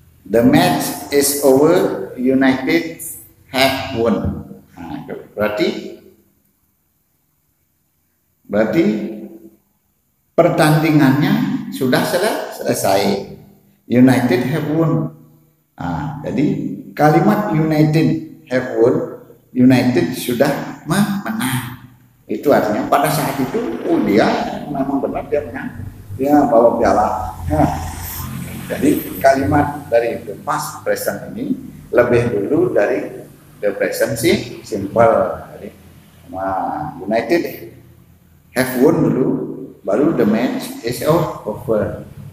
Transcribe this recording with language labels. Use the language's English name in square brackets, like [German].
[English] The match is over, United have won. Berarti [Indonesian] Berarti pertandingannya sudah selesai. [English] United have won. [Indonesian] Nah, jadi kalimat [English] United have won, United [Indonesian] sudah menang. Itu artinya pada saat itu, oh dia memang benar dia menang. Dia bawa piala. Nah, jadi kalimat dari the past present ini lebih dulu dari the present sih, simple. [English] Jadi, United have won [Indonesian] dulu, baru [English] the match is over.